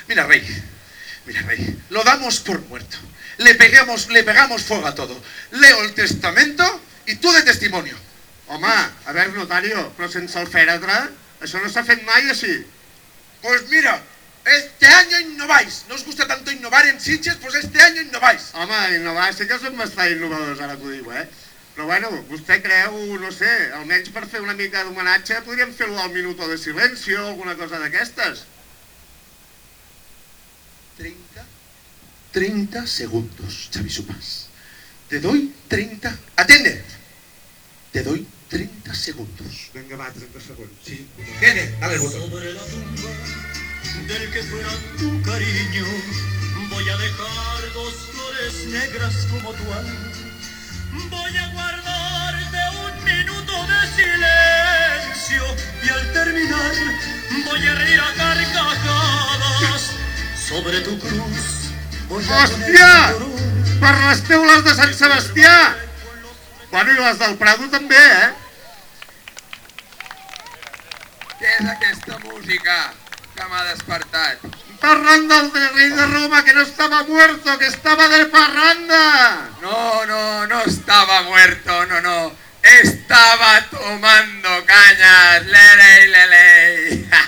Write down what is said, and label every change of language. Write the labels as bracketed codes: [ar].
[es] Mira, rey, lo damos por muerto. Le pegamos fuego a todo. Leo el testamento y tú de testimonio. [ca] Home, [es] a ver, notario, [ca] però sense el fèretre... Això no s'ha fet mai així. [es] Pues mira, este año innováis. No os gusta tanto innovar en Sitges, pues este año innováis. [ca] Home, innovar sí que som bastant innovadors, ara que ho diu, Però bueno, vostè creu, no sé, almenys per fer una mica d'homenatge podríem fer-ho al minuto de silenci o alguna cosa d'aquestes. [es] 30 segundos, Xavi Supas. Te doy 30... Atende! Te doy 30 segundos. Venga, va, 30 segundos. Sí. Tiene, dale el botón. Sobre la tumba del que fuera tu cariño, voy a dejar dos flores negras como tu alma. Voy a guardarte un minuto de silencio y al terminar voy a reír a carcajadas. Sobre tu cruz voy a... [ca] ¡Hostia! ¡Per las teules de San Sebastián! Bueno, i les del Prado també, Què és aquesta música que m'ha despertat? Parranda del rei de Roma, que no estava muerto, que estava de parranda! [es] No estava muerto, no. Estava tomando cañas, lelei.